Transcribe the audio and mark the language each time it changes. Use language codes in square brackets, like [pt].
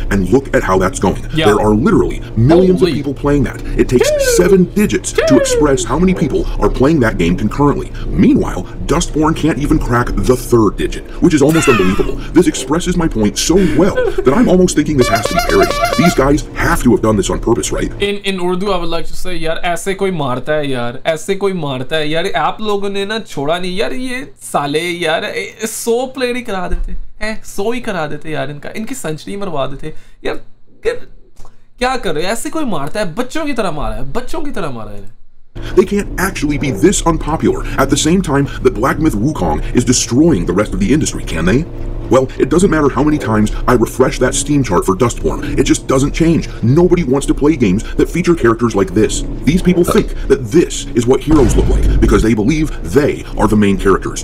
[en] And look at how that's going. Yeah. There are literally millions of people playing that. It takes 7 digits to express how many people are playing that game concurrently. Meanwhile, Dustborn can't even crack the third digit, which is almost unbelievable. This expresses my point so well that I'm almost thinking this has to be parody. These guys have to have done this on purpose, right? In Urdu, I would like to say, [ur] یار، ایسے کوئی مرتا ہے یار، آپ لوگوں نے نا چھوڑا نہیں یار، یہ سالے یار، 100 play ہی کرا دیتے، ہے، 100 ہی کرا دیتے یار، انکی century ہی مروا دیتے، یار، کیا کر رہے، ایسے کوئی مرتا ہے، بچوں کی طرح مرا ہے۔ [en] They can't actually be this unpopular at the same time that Black Myth Wukong is destroying the rest of the industry, can they? Well, it doesn't matter how many times I refresh that Steam chart for Dustborn, it just doesn't change. Nobody wants to play games that feature characters like this. These people think that this is what heroes look like because they believe they are the main characters.